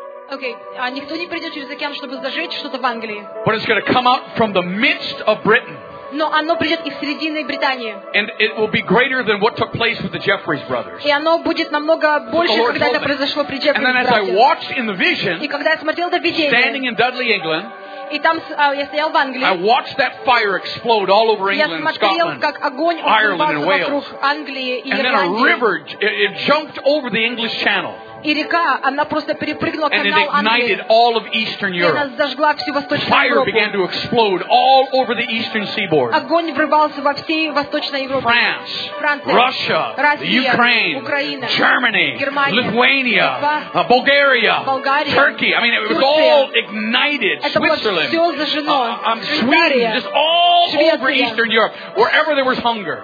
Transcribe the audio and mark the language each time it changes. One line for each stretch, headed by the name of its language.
Russian: Okay, никто не придет через океан, чтобы зажечь что-то в Англии.
English: But it's going to come out from the midst of Britain.
Russian: Но оно придет из середины Британии.
English: And it will be greater than what took place with the Jeffreys brothers.
Russian: И оно будет намного больше, когда это произошло при Джеффри братьях.
English: And then as I watched in the vision,
Russian: и когда я смотрел это видение,
English: standing in Dudley, England.
Russian: И там я стоял в Англии.
English: I watched that fire explode all over England,
Russian: я смотрел,
English: Scotland,
Russian: как огонь
English: Ireland, and Wales.
Russian: Вокруг Англии и Ирландии.
English: And then a river it jumped over the English Channel.
Russian: И река, она просто перепрыгнула канал Англии.
English: And it ignited all of Eastern Europe.
Russian: И она зажгла всю Восточную
English: fire
Russian: Европу.
English: Fire began to explode all over the Eastern Seaboard.
Russian: Огонь врывался во всей Восточной Европе.
English: France,
Russian: Франция,
English: Russia,
Russian: Россия,
English: Ukraine,
Russian: Украина,
English: Germany,
Russian: Германия,
English: Lithuania,
Russian: Литва,
English: Bulgaria, Turkey. I mean, it
Russian: Турция.
English: Was all ignited. Switzerland.
Russian: Это было все зажжено.
English: Sweden, just all
Russian: Швеция.
English: Over Eastern Europe, wherever there was hunger.